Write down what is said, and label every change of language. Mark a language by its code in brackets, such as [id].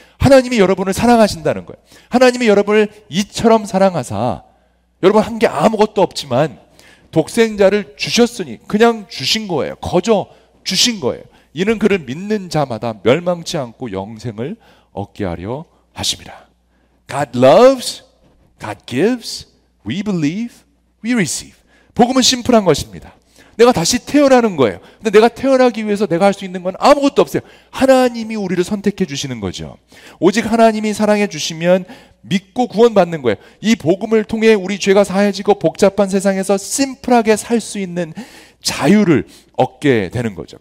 [ko] 하나님이 여러분을 사랑하신다는 거예요. 하나님이 여러분을 이처럼 사랑하사 여러분 한 게 아무것도 없지만 독생자를 주셨으니 그냥 주신 거예요. 거저 주신 거예요. 이는 그를 믿는 자마다 멸망치 않고 영생을 얻게 하려 하십니다. [en] God loves, God gives, we believe, we receive. [ko] 복음은 심플한 것입니다. 내가 다시 태어나는 거예요. 근데 내가 태어나기 위해서 내가 할 수 있는 건 아무것도 없어요. 하나님이 우리를 선택해 주시는 거죠. 오직 하나님이 사랑해 주시면 믿고 구원 받는 거예요. 이 복음을 통해 우리 죄가 사해지고 복잡한 세상에서 심플하게 살 수 있는 자유를 얻게 되는 거죠.